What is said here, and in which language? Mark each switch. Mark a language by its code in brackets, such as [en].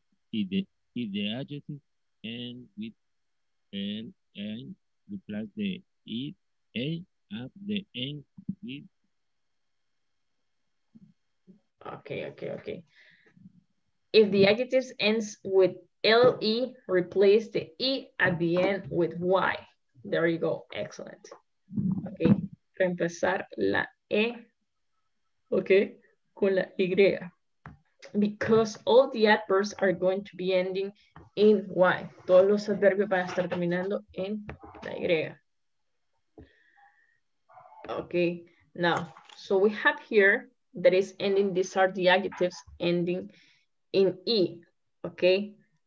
[en] Y de adjective and with and the plus the it a at the end with. Okay. If the adjective ends with L-E, replace the E at the end with Y. There you go, excellent. [es] Okay, reemplazar la E, okay, con la Y. [en] Because all the adverbs are going to be ending in Y. [es] Todos los adverbios van a estar terminando en la Y. [en] Okay, now, so we have here, that is ending, these are the adjectives ending in E, okay?